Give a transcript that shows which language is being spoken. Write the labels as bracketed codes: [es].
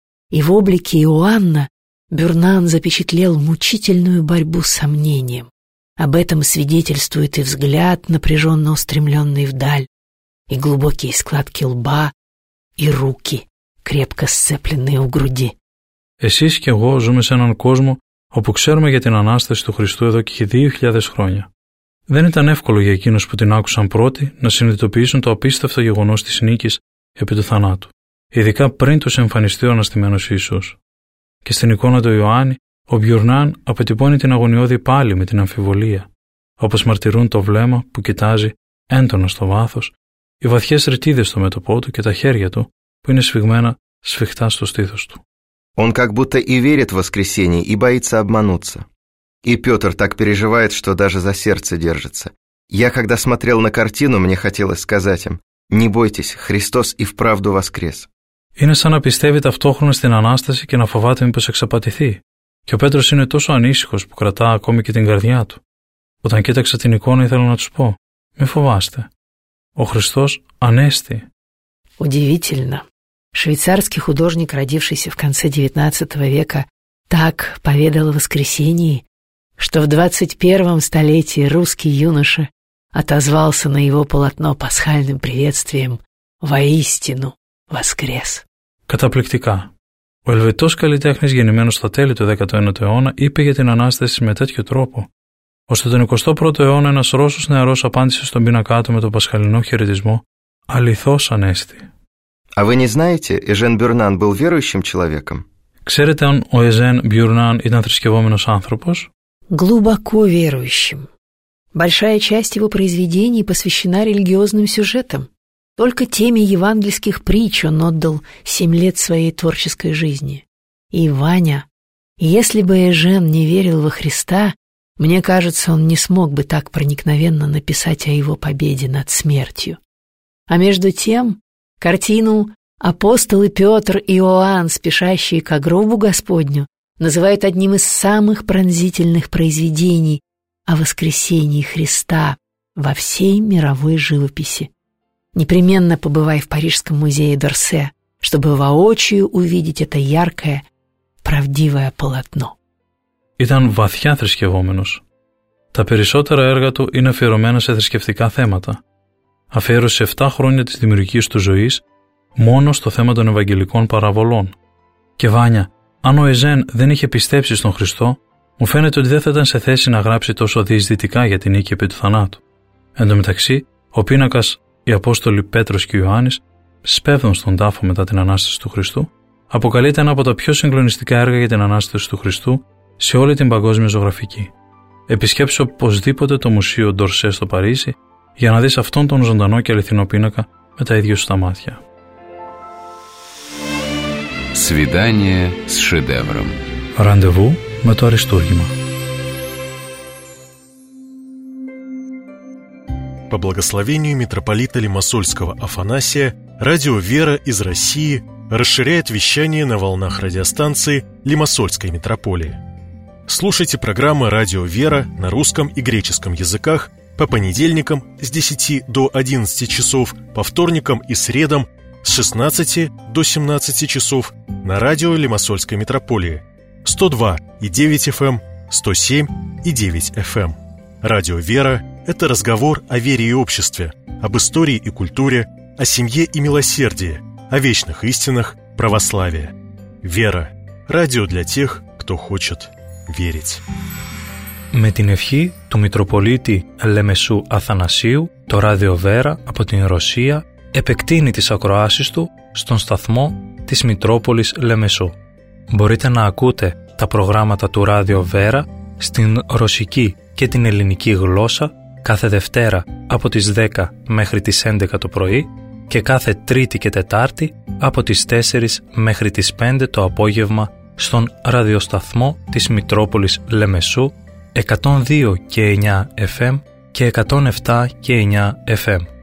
[ru] И в облике Иоанна Бюрнан запечатлел мучительную борьбу с сомнением. Об этом свидетельствует и взгляд, напряженно устремленный вдаль, и глубокие складки лба, и руки, крепко сцепленные у груди. [el] Εσείς και εγώ ζούμε σε έναν κόσμο όπου ξέρουμε για την Ανάσταση του Χριστού εδώ και 2000 χρόνια. Δεν ήταν εύκολο για εκείνους που την άκουσαν πρώτοι να συνειδητοποιήσουν το απίστευτο γεγονός της νίκης επί του θανάτου, ειδικά πριν τους εμφανιστεί ο αναστημένος Ιησούς. Και στην εικόνα του Ιωάννη, ο Μπιουρνάν αποτυπώνει την αγωνιώδη πάλι με την αμφιβολία, όπως μαρτυρούν το βλέμμα που κοιτάζει έντονο στο βάθος, οι βαθιές ρητίδες στο μέτωπό του και τα χέρια του που είναι σφιγμένα σφιχτά στο στήθος του. [ru] Он как будто и верит в воскресение, и боится обмануться. И Петр так переживает, что даже за сердце держится. Я когда смотрел на картину, мне хотелось сказать им, не бойтесь, Христос и вправду воскрес. [el] Είναι σαν να πιστεύει ταυτόχρονα στην Ανάσταση και να φοβάται μήπως εξαπατηθεί. Και ο Πέτρος είναι τόσο ανήσυχος που κρατά ακόμη και την καρδιά του. Όταν κοίταξα την εικόνα ήθελα να τους πω, μη φοβάστε. Ο Χριστός ανέστη. [ru] Удивительно. Швейцарский художник, родившийся в конце XIX века, так поведал о воскресении, что в 21-м столетии русский юноша отозвался на его полотно пасхальным приветствием «Воистину воскрес». [el] Καταπληκτικά. Ο ελβετός καλλιτέχνης γεννημένος στα τέλη του 19ου αιώνα είπε για την Ανάσταση με τέτοιο τρόπο, ώστε τον 21ο αιώνα ένας Ρώσος νεαρός απάντησε στον πίνακά του με τον πασχαλινό χαιρετισμό «Αληθώς ανέστη». [ru] А вы не знаете, Эжен Бюрнан был верующим человеком? [el] Ξέρετε αν ο Εζέν Μπιουρνάν ήταν θρησκευόμενος άνθρωπος? [ru] Глубоко верующим. Большая часть его произведений посвящена религиозным сюжетам. Только теме евангельских притч он отдал 7 лет своей творческой жизни. И Ваня, если бы Эжен не верил во Христа, мне кажется, он не смог бы так проникновенно написать о его победе над смертью. А между тем... Картину «Апостолы Петр и Иоанн, спешащие ко гробу Господню» называют одним из самых пронзительных произведений о воскресении Христа во всей мировой живописи. Непременно побывай в Парижском музее Д'Орсе, чтобы воочию увидеть это яркое, правдивое полотно. [el] Ήταν βαθιά θρησκευόμενος. Τα περισσότερα έργα του είναι αφιερωμένα σε θρησκευτικά θέματα. Αφιέρωσε 7 χρόνια της δημιουργικής του ζωής μόνο στο θέμα των Ευαγγελικών παραβολών. Και Βάνια, αν ο Εζέν δεν είχε πιστέψει στον Χριστό, μου φαίνεται ότι δεν θα ήταν σε θέση να γράψει τόσο διεισδυτικά για την νίκη επί του θανάτου. Εν τω μεταξύ, ο πίνακας, οι Απόστολοι Πέτρος και Ιωάννης, σπέβδουν στον τάφο μετά την Ανάσταση του Χριστού, αποκαλείται ένα από τα πιο συγκλονιστικά έργα για την Ανάσταση του Χριστού σε όλη την παγκόσμια ζωγραφική. Επισκέψω οπωσδήποτε το Μουσείο Ντορσέ στο Παρίσι. Για να δεις αυτόν τον ζωντανό και αληθινό πίνακα με τα ίδια σου τα μάτια. [ru] Свидание с шедевром. [el] Ραντεβού με το Αριστούργημα. [ru] По благословению митрополита Лимассольского Афанасия, радио «Вера» из России расширяет вещание на волнах радиостанции Лимассольской митрополии. Слушайте программы «Радио «Вера» на русском и греческом языках по понедельникам с 10 до 11 часов, по вторникам и средам с 16 до 17 часов на радио Лимассольской митрополии 102,9 FM, 107,9 FM. Радио «Вера» – это разговор о вере и обществе, об истории и культуре, о семье и милосердии, о вечных истинах православия. «Вера» – радио для тех, кто хочет верить. [el] Με την ευχή του Μητροπολίτη Λεμεσού Αθανασίου, το Ράδιο Βέρα από την Ρωσία επεκτείνει τις ακροάσεις του στον σταθμό της Μητρόπολης Λεμεσού. Μπορείτε να ακούτε τα προγράμματα του Ράδιο Βέρα στην ρωσική και την ελληνική γλώσσα κάθε Δευτέρα από τις 10 μέχρι τις 11 το πρωί και κάθε Τρίτη και Τετάρτη από τις 4 μέχρι τις 5 το απόγευμα στον ραδιοσταθμό της Μητρόπολης Λεμεσού 102 και 9 FM και 107 και 9 FM.